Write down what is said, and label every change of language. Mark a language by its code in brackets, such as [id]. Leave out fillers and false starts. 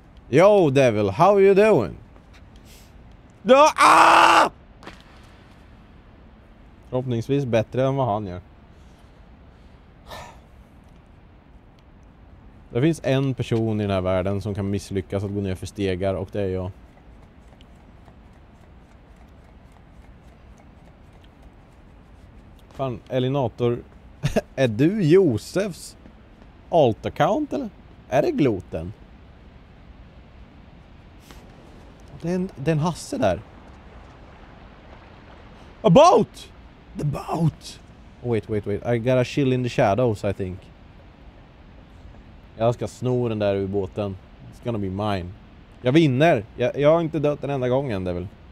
[en] Yo, devil, how are you doing? [sv] Då, ah! Förhoppningsvis bättre än vad han gör. Det finns en person i den här världen som kan misslyckas att gå ner för stegar, och det är jag. Fan, Elinator, är du Josefs alt-account eller? Är det gloten? Den Hasse där. [en] A boat! The boat! Wait, wait, wait. I got a chill in the shadows, I think. [sv] Jag ska sno den där ur båten. [en] It's gonna be mine. [sv] Jag vinner! Jag har inte dött den enda gången, det är väl.